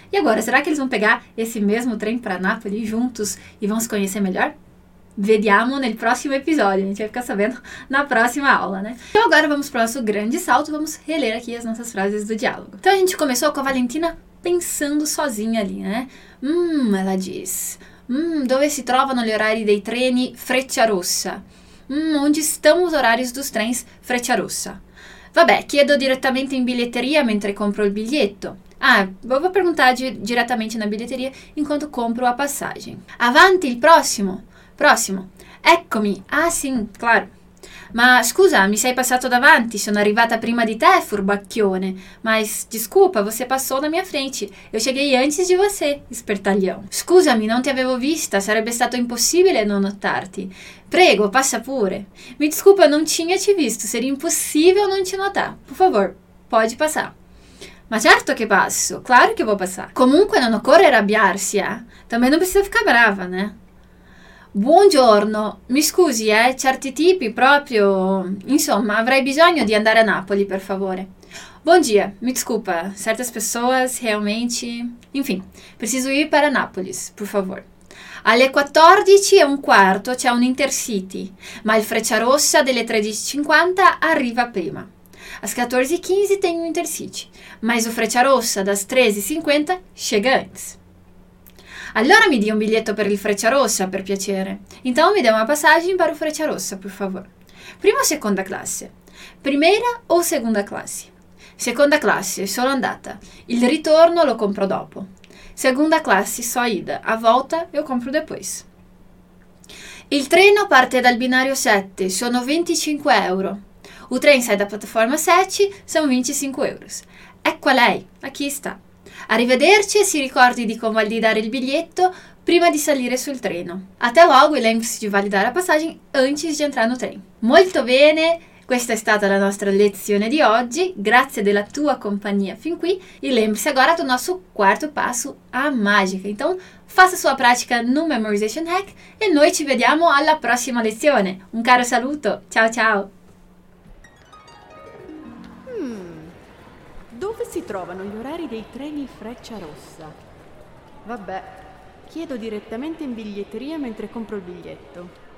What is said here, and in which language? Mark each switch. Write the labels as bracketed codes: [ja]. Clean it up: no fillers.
[pt] E agora, será que eles vão pegar esse mesmo trem para Nápoles juntos e vão se conhecer melhor? [it] Vediamo nel [pt] próximo episódio, a gente vai ficar sabendo na próxima aula, né? Então agora vamos para o nosso grande salto, vamos reler aqui as nossas frases do diálogo. Então a gente começou com a Valentina pensando sozinha ali, né? Ela diz... [it] dove si trovano gli orari dei treni Frecciarossa? [pt] Onde estão os horários dos trens Frecciarossa? [it] Vabbè, chiedo direttamente in biglietteria mentre compro il biglietto. [pt] Ah, vou perguntar direttamente na biglietteria enquanto compro a passagem. [it] Avanti, il prossimo. Prossimo. Eccomi. Ah, sì, claro. Ma scusa, mi sei passato davanti, sono arrivata prima di te, furbacchione. [pt] Mas desculpa, você passou na minha frente, eu cheguei antes de você, espertalhão. [it] Scusami, non ti avevo vista, sarebbe stato impossibile non notarti. Prego, passa pure. [pt] Mi desculpa, non tinha te visto, seria impossível non te notar. Por favor, pode passar. [it] Ma certo che passo, [pt] claro che vou passar. [it] Comunque non occorre arrabbiarsi, eh? [pt] Também não precisa ficar brava, né? [it] Buongiorno, mi scusi, certi tipi proprio... Insomma, avrei bisogno di andare a Napoli, per favore. [pt] Bom dia, mi desculpa, certas pessoas realmente... Enfim, preciso ir para Nápoles, por favor. [it] Alle 14:15 c'è un Intercity, ma il Frecciarossa delle 13:50 arriva prima. [pt] Às 14:15 tem um Intercity, mas o Frecciarossa das 13:50 chega antes. [it] Allora mi dia un biglietto per il Frecciarossa, per piacere. [pt] Então [it] mi dia una [pt] passagem para o Frecciarossa, por favor. [it] Prima o seconda classe? Primeira o seconda classe? Seconda classe, solo andata. Il ritorno lo compro dopo. [pt] Seconda classe, só ida. A volta eu compro depois. [it] Il treno parte dal binario 7, sono 25 euro. [pt] O trem sai da plataforma 7, são 25 euros. [it] Ecco a lei, [pt] aqui está. [it] Arrivederci e si ricordi di convalidare il biglietto prima di salire sul treno. [pt] Até logo e lembre-se de validar a passagem antes de entrar no trem. [it] Molto bene, questa è stata la nostra lezione di oggi. Grazie della tua compagnia fin qui. [pt] E lembre-se agora do nosso quarto passo, a mágica. Então, faça sua prática no [it] Memorization Hack e noi ci vediamo alla prossima lezione. Un caro saluto, ciao ciao! Dove si trovano gli orari dei treni Frecciarossa? Vabbè, chiedo direttamente in biglietteria mentre compro il biglietto.